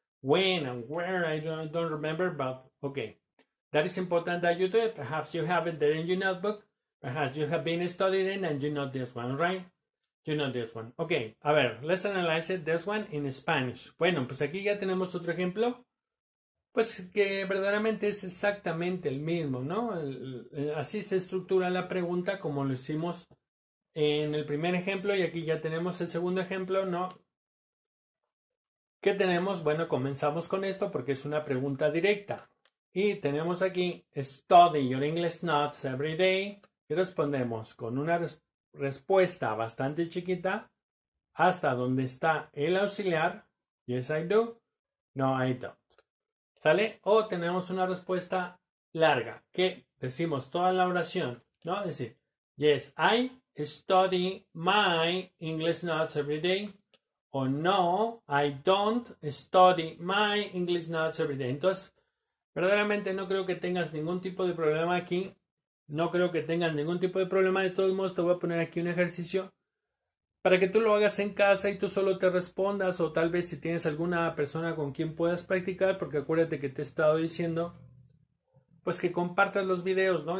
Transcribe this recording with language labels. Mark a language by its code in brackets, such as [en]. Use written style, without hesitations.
[en] When and where, I don't remember, but okay. That is important that you do it. Perhaps you have it there in your notebook. Perhaps you have been studying and you know this one, right? You know this one. Okay, [es] a ver, [en] let's analyze it, this one in Spanish. [es] Bueno, pues aquí ya tenemos otro ejemplo. Pues que verdaderamente es exactamente el mismo, ¿no? Así se estructura la pregunta como lo hicimos en el primer ejemplo, y aquí ya tenemos el segundo ejemplo, ¿no? ¿Qué tenemos? Bueno, comenzamos con esto porque es una pregunta directa. Y tenemos aquí, [en] study your English notes every day. [es] Y respondemos con una respuesta bastante chiquita hasta donde está el auxiliar. [en] Yes, I do. No, I don't. [es] ¿Sale? O tenemos una respuesta larga que decimos toda la oración, ¿no? Es decir, [en] yes, I study my English notes every day. O no, I don't study my English notes every day. [es] Entonces, verdaderamente no creo que tengas ningún tipo de problema aquí. No creo que tengas ningún tipo de problema. De todos modos, te voy a poner aquí un ejercicio para que tú lo hagas en casa y tú solo te respondas. O tal vez si tienes alguna persona con quien puedas practicar, porque acuérdate que te he estado diciendo, pues que compartas los videos, ¿no?